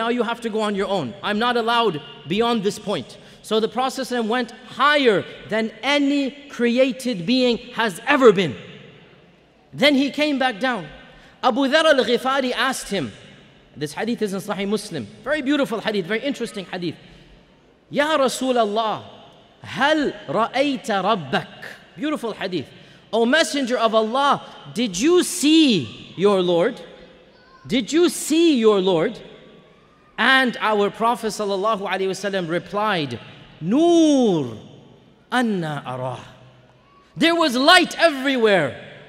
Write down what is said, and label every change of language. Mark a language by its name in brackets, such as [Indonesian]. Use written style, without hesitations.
[English] Now you have to go on your own. I'm not allowed beyond this point. So the Prophet ﷺ went higher than any created being has ever been. Then he came back down. Abu Dharr al-Ghifari asked him, this hadith is in Sahih Muslim. Very beautiful hadith, very interesting hadith. [Arabic] Ya Rasulallah, هل رأيت ربك. [English] Beautiful hadith. O Messenger of Allah, did you see your Lord? Did you see your Lord? And our Prophet sallallahu alaihi wasallam replied, [Arabic] نور أنا أراه. [English] There was light everywhere.